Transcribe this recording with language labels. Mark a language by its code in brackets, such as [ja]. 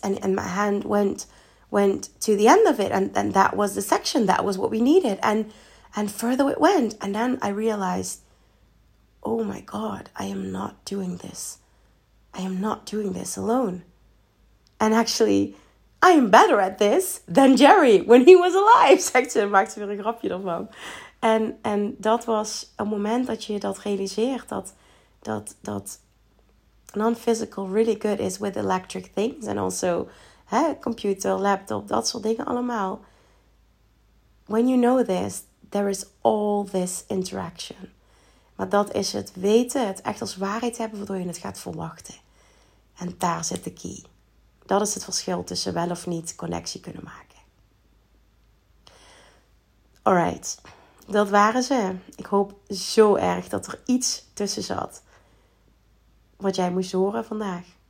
[en] And my hand went to the end of it, and that was the section, that was what we needed, and further it went, and then I realized, oh my God, I am not doing this I am not doing this alone. And actually, I am better at this than Jerry when he was alive. [nl] Zegt ze, maakt ze weer een grapje ervan. En dat was een moment dat je dat realiseert. [en] Dat non-physical really good is with electric things. [nl] En also hè, computer, laptop, dat soort dingen allemaal. [en] When you know this, there is all this interaction. [nl] Maar dat is het weten, het echt als waarheid hebben, waardoor je het gaat verwachten. En daar zit de key. Dat is het verschil tussen wel of niet connectie kunnen maken. Alright, dat waren ze. Ik hoop zo erg dat er iets tussen zat wat jij moest horen vandaag.